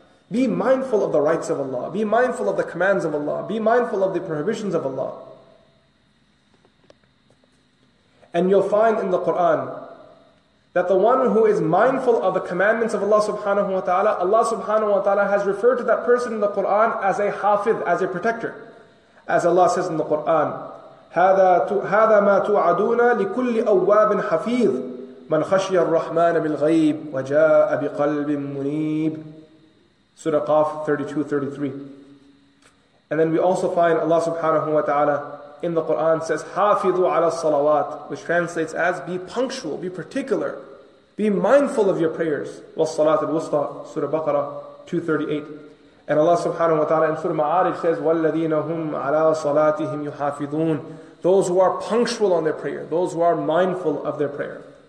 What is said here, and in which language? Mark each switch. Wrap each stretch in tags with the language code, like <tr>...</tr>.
<en>Be mindful of the rights of Allah. Be mindful of the commands of Allah. Be mindful of the prohibitions of Allah. And you'll find in the Quran that the one who is mindful of the commandments of Allah subhanahu wa ta'ala, Allah subhanahu wa ta'ala has referred to that person in the Quran as a hafidh, as a protector. As Allah says in the Quran,</en> <ar>هَذَا مَا تُعَدُونَ لِكُلِّ أَوَّابٍ حَفِيظٍ مَنْ خَشْيَ الرَّحْمَانَ بِالْغَيْبِ وَجَاءَ بِقَلْبٍ مُنِيبٍ.</ar> <en>Surah Qaf 32:33. And then we also find Allah subhanahu wa ta'ala in the Quran says,</en> <ar>حَافِظُوا عَلَى الصَّلَوَاتِ,</ar> <en>which translates as, be punctual, be particular, be mindful of your prayers.</en> <ar>وَالصَّلَاةِ الْوُسْطَى,</ar> <en>Surah Baqarah 2:38. And Allah subhanahu wa ta'ala in Surah Ma'arij says,</en> <ar>وَالَّذِينَ هُمْ عَلَى صَلَاتِهِمْ يُحَافِظُونَ,</ar> <en>those who are punctual on their prayer, those who are mindful of their prayer.</en>